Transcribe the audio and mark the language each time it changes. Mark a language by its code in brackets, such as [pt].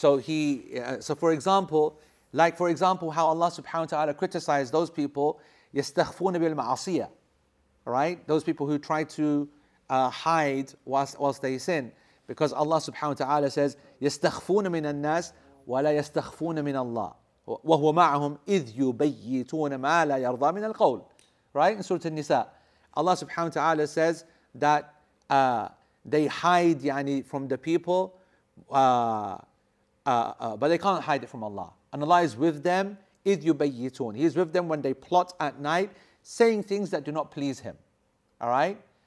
[en] For example, how Allah subhanahu wa ta'ala criticized those people, [ar] يستخفون بالمعصية, [en] right? Those people who try to hide whilst they sin. [ar] Because Allah subhanahu wa ta'ala says, يستخفون من الناس ولا يستخفون من الله وهو معهم إذ يبيتون ما لا يرضى من القول. [en] Right? In Surah An-Nisa, Allah subhanahu wa ta'ala says that they hide from the people, but they can't hide it from Allah. And Allah is with them, [ar] إِذْ يُبَيِّتُونَ [en] He is with them when they plot at night, saying things that do not please Him. Alright?